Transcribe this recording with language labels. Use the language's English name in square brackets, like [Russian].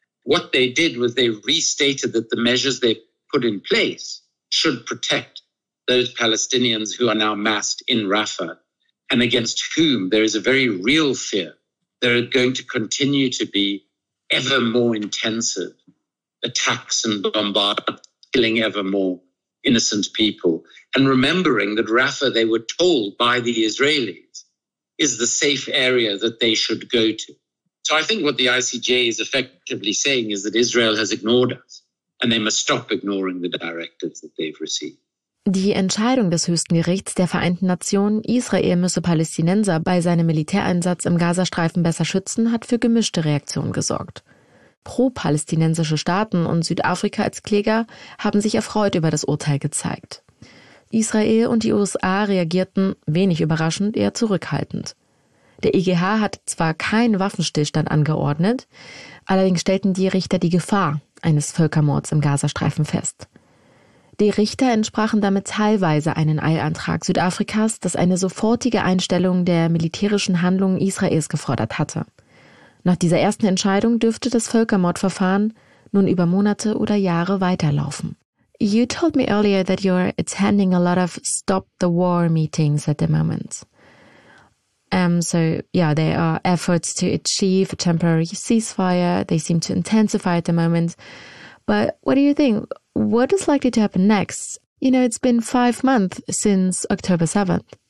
[English] What they did was they restated that the measures they put in place should protect those Palestinians who are now massed in Rafah and against whom there is a very real fear there are going to continue to be ever more intensive attacks and bombardment, killing ever more innocent people. And remembering that Rafah, they were told by the Israelis, is the safe area that they should go to. So I think what the ICJ is effectively saying is that Israel has ignored us and they must stop ignoring the directives that they've received. [German] Die Entscheidung des höchsten Gerichts der Vereinten Nationen, Israel müsse Palästinenser bei seinem Militäreinsatz im Gazastreifen besser schützen, hat für gemischte Reaktionen gesorgt. Pro-palästinensische Staaten und Südafrika als Kläger haben sich erfreut über das Urteil gezeigt. Israel und die USA reagierten, wenig überraschend, eher zurückhaltend. Der EuGH hat zwar keinen Waffenstillstand angeordnet, allerdings stellten die Richter die Gefahr eines Völkermords im Gazastreifen fest. Die Richter entsprachen damit teilweise einem Eilantrag Südafrikas, das eine sofortige Einstellung der militärischen Handlungen Israels gefordert hatte. Nach dieser ersten Entscheidung dürfte das Völkermordverfahren nun über Monate oder Jahre weiterlaufen. [English] You told me earlier that you're attending a lot of Stop the War meetings at the moment. So, there are efforts to achieve a temporary ceasefire. They seem to intensify at the moment. But what do you think? What is likely to happen next? You know, it's been 5 months since October 7th.